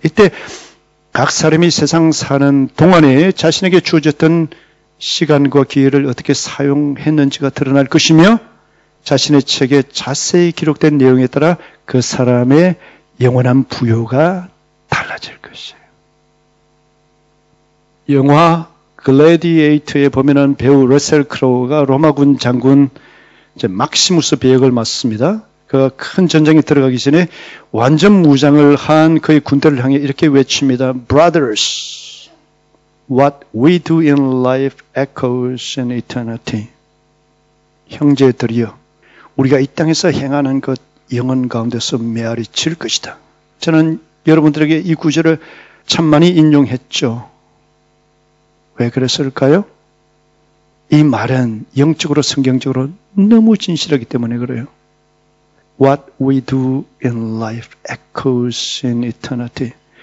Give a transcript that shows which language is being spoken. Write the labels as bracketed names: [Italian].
[Korean] 이때 각 사람이 세상 사는 동안에 자신에게 주어졌던 시간과 기회를 어떻게 사용했는지가 드러날 것이며 자신의 책에 자세히 기록된 내용에 따라 그 사람의 영원한 부요가 달라질 것이에요. 영화 글래디에이터에 보면은 배우 러셀 크로우가 로마군 장군 이제 막시무스 배역을 맡습니다. 그가 큰 전쟁에 들어가기 전에 완전 무장을 한 그의 군대를 향해 이렇게 외칩니다. [English] Brothers, what we do in life echoes in eternity. [Korean] 형제들이여, 우리가 이 땅에서 행하는 것 영원 가운데서 메아리 칠 것이다. 저는 여러분들에게 이 구절을 참 많이 인용했죠. 왜 그랬을까요? 이 말은 영적으로 성경적으로 너무 진실하기 때문에 그래요. [English] What we do in life echoes in eternity.